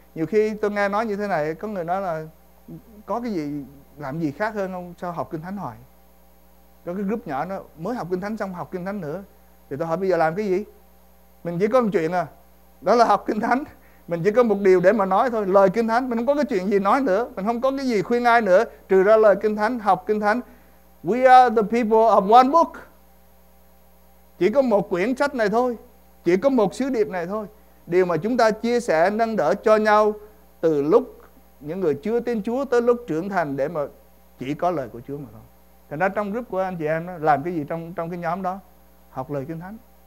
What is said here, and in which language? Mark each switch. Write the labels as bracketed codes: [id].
[vi] Nhiều khi tôi nghe nói như thế này, có người nói là có cái gì, làm gì khác hơn không, sao học Kinh Thánh hoài. Có cái group nhỏ nó mới học Kinh Thánh xong học Kinh Thánh nữa. Thì tôi hỏi bây giờ làm cái gì? Mình chỉ có một chuyện à, đó là học Kinh Thánh. Mình chỉ có một điều để mà nói thôi, lời Kinh Thánh. Mình không có cái chuyện gì nói nữa, mình không có cái gì khuyên ai nữa, trừ ra lời Kinh Thánh, học Kinh Thánh. [en] We are the people of one book. [vi] Chỉ có một quyển sách này thôi, chỉ có một sứ điệp này thôi. Điều mà chúng ta chia sẻ, nâng đỡ cho nhau từ lúc những người chưa tin Chúa tới lúc trưởng thành, để mà chỉ có lời của Chúa mà thôi. Thành ra trong group của anh chị em đó, làm cái gì trong cái nhóm đó? Học lời Kinh Thánh.